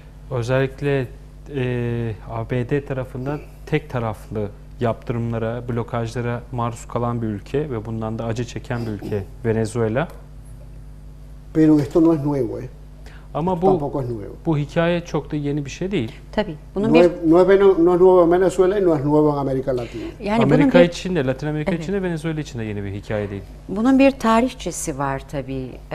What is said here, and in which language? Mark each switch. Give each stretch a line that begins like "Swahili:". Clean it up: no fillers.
Turkish: Özellikle ABD tarafından tek taraflı yaptırımlara, blokajlara maruz kalan bir ülke ve bundan da acı çeken bir ülke Venezuela.
Spanish: Pero esto no es nuevo,
Turkish: Ama bu,
Spanish: tampoco es nuevo.
Turkish: Bu hikaye çok da yeni bir şey değil. Tabii.
Spanish: No es nuevo en Venezuela, no es nuevo en América Latina.
Turkish: Yani Amerika için de, Latin Amerika için de, Venezuela için de yeni bir hikaye değil. Bunun bir tarihçesi var tabii.